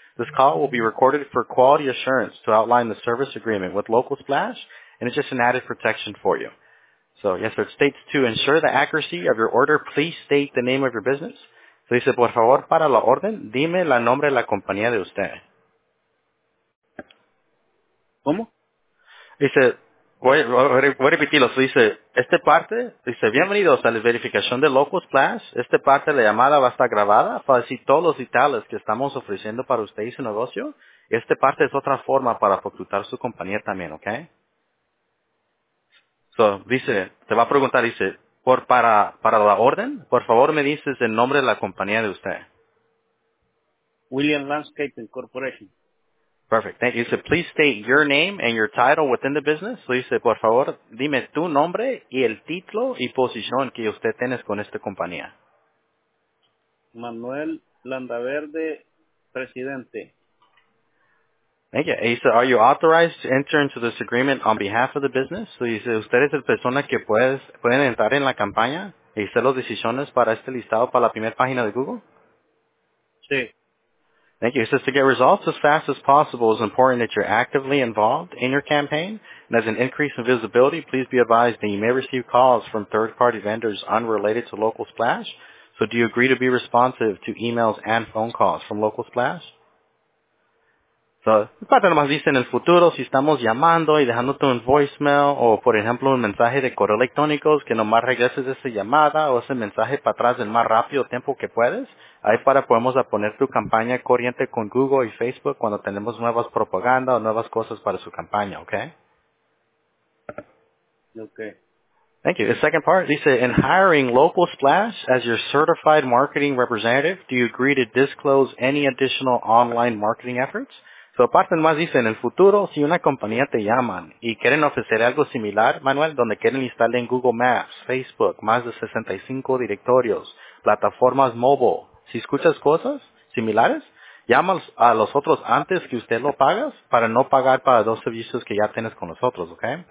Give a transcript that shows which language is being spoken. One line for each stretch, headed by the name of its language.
English: This call will be recorded for quality assurance to outline the service agreement with Local Splash, and it's just an added protection for you. So yes, sir. It states to ensure the accuracy of your order, please state the name of your business. So he said,
Spanish: por favor, para la orden, dime la nombre de la compañía de usted. ¿Cómo?
English: He said,
Spanish: voy a repetirlo, so dice, esta parte, dice, bienvenidos a la verificación de Local Splash, esta parte de la llamada va a estar grabada para decir todos los detalles que estamos ofreciendo para usted y su negocio, y esta parte es otra forma para facturar su compañía también, ¿ok? So, dice, te va a preguntar, dice, para la orden, por favor me dices el nombre de la compañía de usted.
English: William Landscape Incorporation. Perfect. Thank you. He said, please state your name and your title within the business. So he said,
Spanish: por favor, dime tu nombre y el título y posición que usted tienes con esta compañía. Manuel Landaverde, presidente.
English: Thank you. He said, are you authorized to enter into this agreement on behalf of the business? So he said,
Spanish: usted es la persona que pueden entrar en la campaña y hacer las decisiones para este listado para la primera página de Google? Sí.
English: Thank you. It says, to get results as fast as possible, it's important that you're actively involved in your campaign. And as an increase in visibility, please be advised that you may receive calls from third-party vendors unrelated to Local Splash. So do you agree to be responsive to emails and phone calls from Local Splash?
Spanish: So, parte nomás dice, en el futuro, si estamos llamando y dejándote un voicemail, o por ejemplo, un mensaje de correo electrónico, que nomás regreses esa llamada o ese mensaje para atrás el más rápido tiempo que puedes, ahí para podemos poner tu campaña corriente con Google y Facebook cuando tenemos nuevas propaganda o nuevas cosas para su campaña, ¿ok?
English: Ok. Thank you. The second part, dice, in hiring Local Splash as your certified marketing representative, do you agree to disclose any additional online marketing efforts?
Spanish: So aparte más dice, en el futuro, si una compañía te llaman y quieren ofrecer algo similar, Manuel, donde quieren instalar en Google Maps, Facebook, más de 65 directorios, plataformas mobile, si escuchas cosas similares, llama a los otros antes que usted lo pagas para no pagar para dos servicios que ya tienes con nosotros, ¿ok?